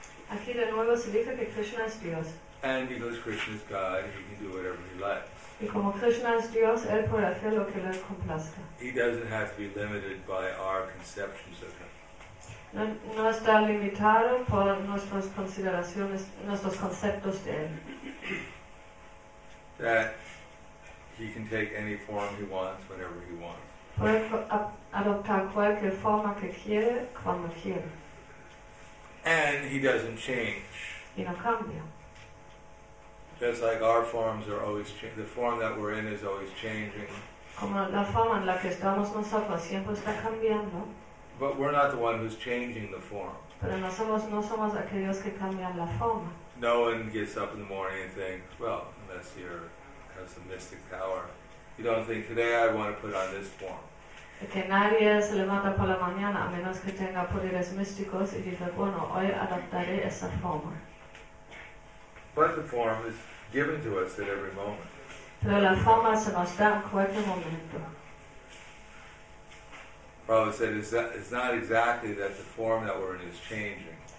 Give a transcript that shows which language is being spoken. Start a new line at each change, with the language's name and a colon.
Spanish: Aquí de nuevo se dice que Krishna es Dios.
English: And because Krishna is God, he can do whatever he likes.
Spanish: Y como Krishna es Dios, él puede hacer lo que le complazca.
English: He doesn't have to be limited by our conceptions of him.
Spanish: No está limitado por nuestras consideraciones, nuestros conceptos de él.
English: That he can take any form he wants, whenever he wants.
Spanish: Puede adoptar cualquier forma que quiere, cuando quiere.
English: And he doesn't change.
Spanish: Y no cambia.
English: Just like our forms are always changing, the form that we're in is always changing.
Spanish: Como la forma en la que estamos nosotros siempre está cambiando.
English: But we're not the one who's changing the form.
Spanish: Pero no somos aquellos que cambian la forma.
English: No one gets up in the morning and thinks, well, unless you have some mystic power, you don't think, today I want to put on this form.
Spanish: Que nadie se levanta por la mañana a menos que tenga poderes místicos y dice, bueno, hoy adaptaré esa forma.
English: But the form is given to us at every moment.
Spanish: Pero la forma se nos da en cualquier momento.
English: Prabhupada said, it's not exactly that the form that we're in is changing.